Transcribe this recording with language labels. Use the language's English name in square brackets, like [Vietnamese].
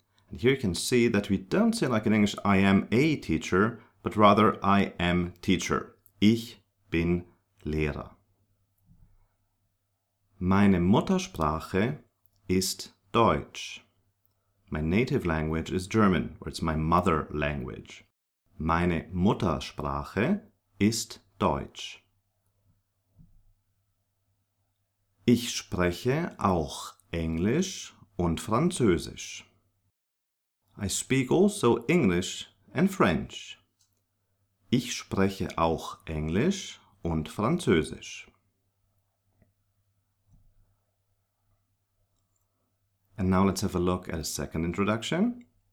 [English] And here you can see that we don't say like in English, I am a teacher, but rather I am teacher. [German] Ich bin Lehrer. Meine Muttersprache ist Deutsch. [English] My native language is German, or it's my mother language. [German] Meine Muttersprache ist Deutsch. Ich spreche auch Englisch und Französisch. [English] I speak also English and French. [German] Ich spreche auch Englisch und Französisch. [English] And now let's have a look at a second introduction.